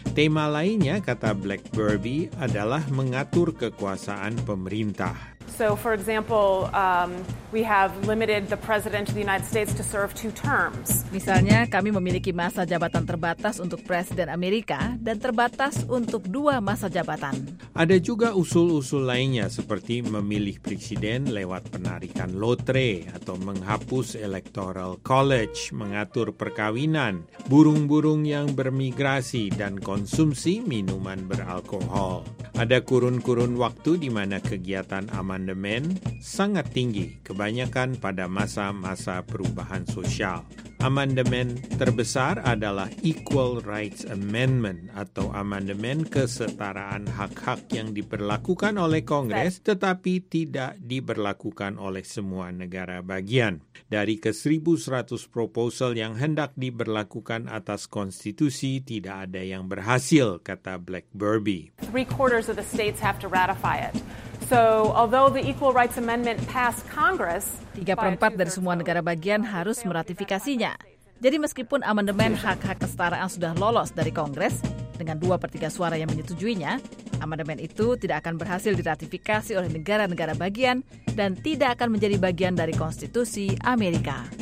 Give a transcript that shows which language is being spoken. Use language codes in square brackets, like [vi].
[id] Tema lainnya, kata Black Burby, adalah mengatur kekuasaan pemerintah. [en] So for example, we have limited the president of the United States to serve 2 terms. [id] Misalnya, kami memiliki masa jabatan terbatas untuk presiden Amerika dan terbatas untuk 2 masa jabatan. Ada juga usul-usul lainnya seperti memilih presiden lewat penarikan lotre atau menghapus electoral college, mengatur perkawinan, burung-burung yang bermigrasi dan konsumsi minuman beralkohol. Ada kurun-kurun waktu di mana kegiatan amandemen sangat tinggi, kebanyakan pada masa-masa perubahan sosial. Amandemen terbesar adalah Equal Rights Amendment atau amandemen kesetaraan hak-hak yang diberlakukan oleh Kongres tetapi tidak diberlakukan oleh semua negara bagian. Dari ke 1.100 proposal yang hendak diberlakukan atas konstitusi, tidak ada yang berhasil, kata Black Burby. [en] 3/4 of the states have to ratify it. So, although the Equal Rights Amendment passed Congress, [id] 3/4 dari semua negara bagian harus meratifikasinya. Jadi meskipun amandemen hak-hak kesetaraan sudah lolos dari Kongres dengan 2/3 suara yang menyetujuinya, amandemen itu tidak akan berhasil diratifikasi oleh negara-negara bagian dan tidak akan menjadi bagian dari konstitusi Amerika.